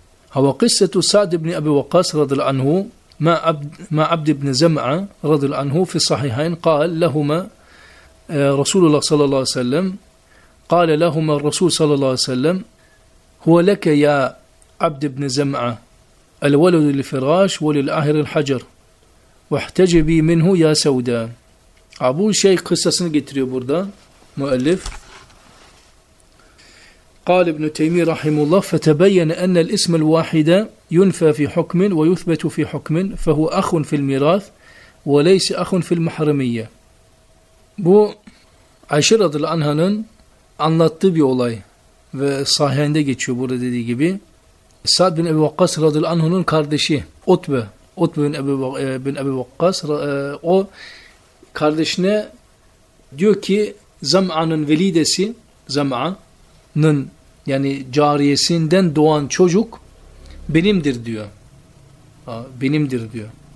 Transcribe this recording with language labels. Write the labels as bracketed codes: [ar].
[ar] Hava kıssetu Sa'd ibn Ebi Vakkas radıyallahu anhu ma Abd ibn Zem'a radıyallahu anhu fi sahihayn kâl lehuma Resulullah sallallahu aleyhi ve sellem kâle lehuma Resul sallallahu aleyhi ve sellem huve leke ya Abd ibn Zem'a الولد للفراش وللآهر الحجر واحتجبي منه يا سودا. [tr] Abu Şeyh kıssasını getiriyor burada müellif. [ar] قال ابن تيمية رحمه الله فتبين أن الاسم الواحد ينفى في حكم ويثبت في حكم فهو أخ في الميراث وليس أخ في المحرمية. [tr] Bu Ayşe radıyallahu anh'ın anlattığı bir olay ve sahihinde geçiyor burada dediği gibi. Sa'd bin Ebu Vakkas radıyallahu anh'un kardeşi Utbe bin Ebu Vakkas o kardeşine diyor ki Zam'a'nın velidesi Zam'a'nın yani cariyesinden doğan çocuk benimdir diyor. Benimdir diyor.